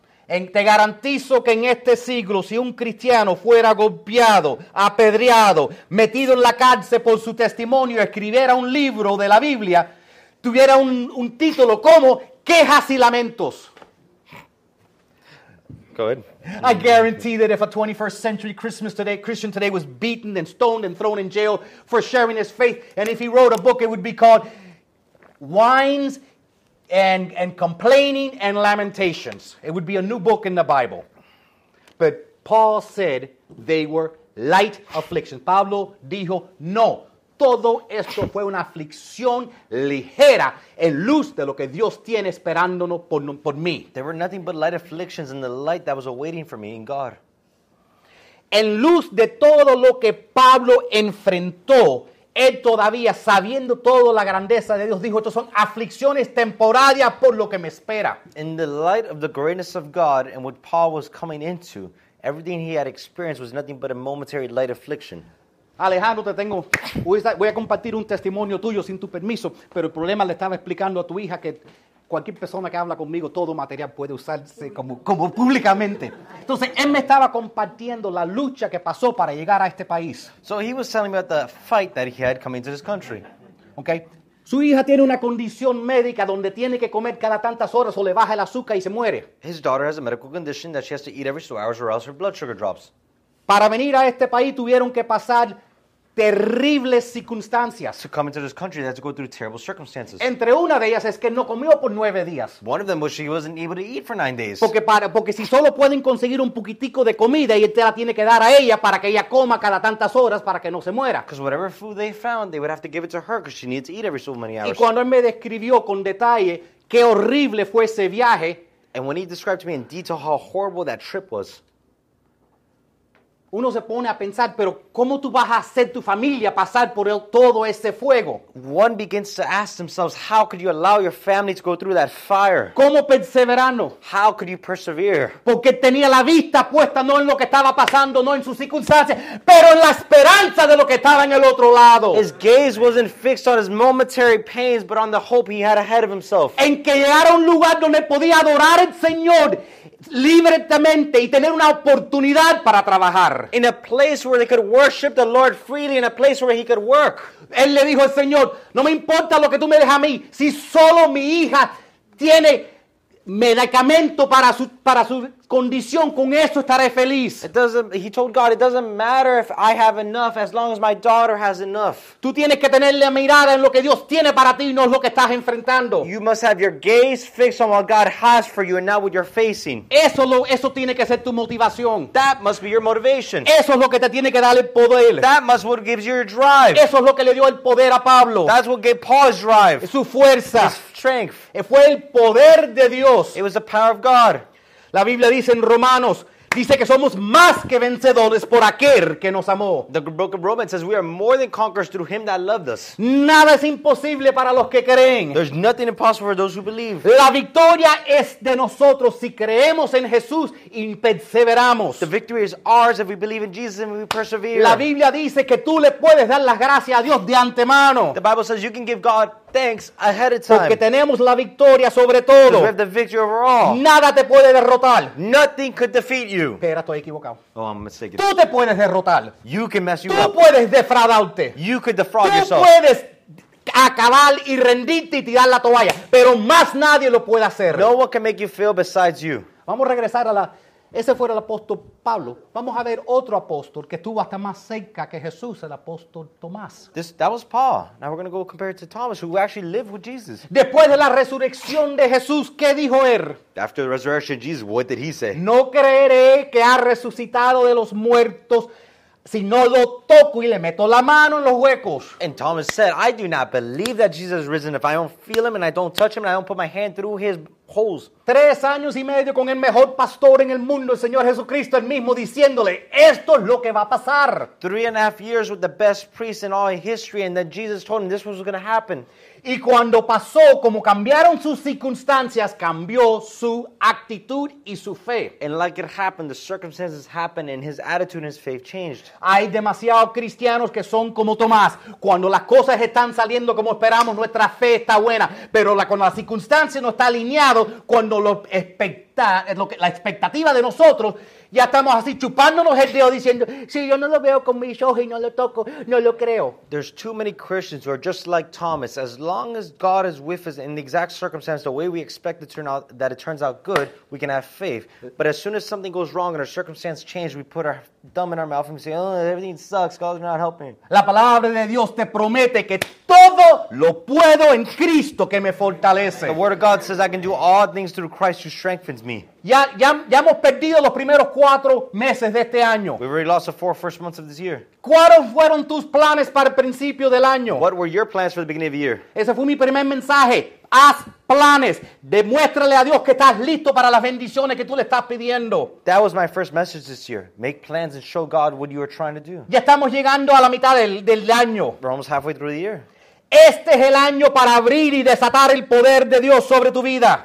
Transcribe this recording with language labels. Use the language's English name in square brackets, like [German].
[Spanish] En, te garantizo que en este siglo, si un cristiano fuera golpeado, apedreado, metido en la cárcel por su testimonio, escribiera un libro de la Biblia, tuviera un título como Quejas y Lamentos. [English] Go ahead. I guarantee that if a 21st century Christian today was beaten and stoned and thrown in jail for sharing his faith, and if he wrote a book, it would be called Whines and Complaining and Lamentations. It would be a new book in the Bible. But Paul said they were light afflictions. [Spanish] Pablo dijo, no, todo esto fue una aflicción ligera en luz de lo que Dios tiene esperándonos por mí. [English] There were nothing but light afflictions in the light that was awaiting for me in God. [Spanish] En luz de todo lo que Pablo enfrentó, él todavía, sabiendo toda la grandeza de Dios, dijo, estas son aflicciones temporarias por lo que me espera. [English] In the light of the greatness of God and what Paul was coming into, everything he had experienced was nothing but a momentary light affliction. [Spanish] Alejandro, te tengo, voy a compartir un testimonio tuyo sin tu permiso, pero el problema le estaba explicando a tu hija que cualquier persona que habla conmigo, todo material puede usarse como públicamente. Entonces, él me estaba compartiendo la lucha que pasó para llegar a este país. [English] So he was telling me about the fight that he had coming to this country. Okay. [Spanish] Su hija tiene una condición médica donde tiene que comer cada tantas horas o le baja el azúcar y se muere. [English] His daughter has a medical condition that she has to eat every 2 hours or else her blood sugar drops. [Spanish] Para venir a este país tuvieron que pasar terribles circunstancias. [English] To come into this country, they had to go through terrible circumstances. [Spanish] Entre una de ellas es que no comió por 9 días. [English] One of them was she wasn't able to eat for 9 days. [Spanish] Porque si solo pueden conseguir un poquitico de comida, y te la tiene que dar a ella para que ella coma cada tantas horas para que no se muera. [English] Because whatever food they found, they would have to give it to her because she needs to eat every so many hours. [Spanish] Y cuando él me describió con detalle qué horrible fue ese viaje. [English] And when he described to me in detail how horrible that trip was. [Spanish] Uno se pone a pensar, pero ¿cómo tú vas a hacer tu familia pasar por todo ese fuego? [English] One begins to ask themselves, how could you allow your family to go through that fire? [Spanish] ¿Cómo perseverando? [English] How could you persevere? [Spanish] Porque tenía la vista puesta no en lo que estaba pasando, no en sus circunstancias, pero en la esperanza de lo que estaba en el otro lado. [English] His gaze wasn't fixed on his momentary pains, but on the hope he had ahead of himself. [Spanish] En que llegara a un lugar donde podía adorar al Señor libremente y tener una oportunidad para trabajar. [English] In a place where they could worship the Lord freely, in a place where he could work. [Spanish] Él le dijo al Señor, no me importa lo que tú me dejes a mí, si solo mi hija tiene medicamento para su condición, con eso estaré feliz. [English] He told God, it doesn't matter if I have enough, as long as my daughter has enough. [Spanish] Tú tienes que tener la mirada en lo que Dios tiene para ti, no es lo que estás enfrentando. [English] You must have your gaze fixed on what God has for you and not what you're facing. [Spanish] Eso tiene que ser tu motivación. [English] That must be your motivation. [Spanish] Eso es lo que te tiene que dar el poder. [English] That must what gives you your drive. [Spanish] Eso es lo que le dio el poder a Pablo. [English] That's what gave Paul's drive. [Spanish] Su fuerza. [English] His strength. [Spanish] Fue el poder de Dios. [English] It was the power of God. [Spanish] La Biblia dice en Romanos, dice que somos más que vencedores por aquel que nos amó. [English] The book of Romans says we are more than conquerors through him that loved us. [Spanish] Nada es imposible para los que creen. [English] There's nothing impossible for those who believe. [Spanish] La victoria es de nosotros si creemos en Jesús y perseveramos. [English] The victory is ours if we believe in Jesus and we persevere. [Spanish] La Biblia dice que tú le puedes dar las gracias a Dios de antemano. [English] The Bible says you can give God thanks ahead of time. [Spanish] Porque tenemos la victoria sobre todo. [English] We have the victory over all. [Spanish] Nada te puede derrotar. [English] Nothing could defeat you. [Spanish] Espera, estoy equivocado. [English] Oh, I'm mistaken. [Spanish] Tú te puedes derrotar. [English] You can mess you [Spanish] tú [English] up. [Spanish] Tú puedes defraudarte. [English] You could defraud [Spanish] tú [English] yourself. [Spanish] Tú puedes acabar y rendirte y tirar la toalla. Pero más nadie lo puede hacer. [English] No one can make you fail besides you. [Spanish] Vamos a regresar a la... Ese fue el apóstol Pablo. Vamos a ver otro apóstol que estuvo hasta más cerca que Jesús, el apóstol Tomás. [English] That was Paul. Now we're going to go compare it to Thomas, who actually lived with Jesus. [Spanish] Después de la resurrección de Jesús, ¿qué dijo él? [English] After the resurrection of Jesus, what did he say? [Spanish] No creeré que ha resucitado de los muertos, si no lo toco y le meto la mano en los huecos. [English] And Thomas said, I do not believe that Jesus has risen if I don't feel him and I don't touch him and I don't put my hand through his holes. [Spanish] 3 años y medio con el mejor pastor en el mundo, el Señor Jesucristo, el mismo diciéndole, esto es lo que va a pasar. [English] 3.5 years with the best priest in all history, and then Jesus told him this was going to happen. [Spanish] Y cuando pasó, como cambiaron sus circunstancias, cambió su actitud y su fe. [English] And like it happened, the circumstances happened, and his attitude and his faith changed. [Spanish] Hay demasiados cristianos que son como Tomás. Cuando las cosas están saliendo como esperamos, nuestra fe está buena. Pero cuando la circunstancia no está alineada, cuando la expectativa de nosotros, ya estamos así chupándonos el dedo diciendo, si yo no lo veo con mis ojos y no lo toco, no lo creo. [English] There's too many Christians who are just like Thomas. As long as God is with us in the exact circumstance, the way we expect it turns out good, we can have faith. But as soon as something goes wrong and our circumstance changes, we put our thumb in our mouth and we say, oh, everything sucks, God's not helping. [Spanish] La palabra de Dios te promete que todo lo puedo en Cristo que me fortalece. [English] The word of God says I can do all things through Christ who strengthens me. [Spanish] Ya hemos perdido los primeros 4 meses de este año. [English] We already lost the 4 first months of this year. [Spanish] ¿Cuáles fueron tus planes para el principio del año? [English] What were your plans for the beginning of the year? [Spanish] Ese fue mi primer mensaje. Haz planes. Demuéstrale a Dios que estás listo para las bendiciones que tú le estás pidiendo. [English] That was my first message this year. Make plans and show God what you are trying to do. [Spanish] Ya estamos llegando a la mitad del año. [English] We're almost halfway through the year. [Spanish] Este es el año para abrir y desatar el poder de Dios sobre tu vida.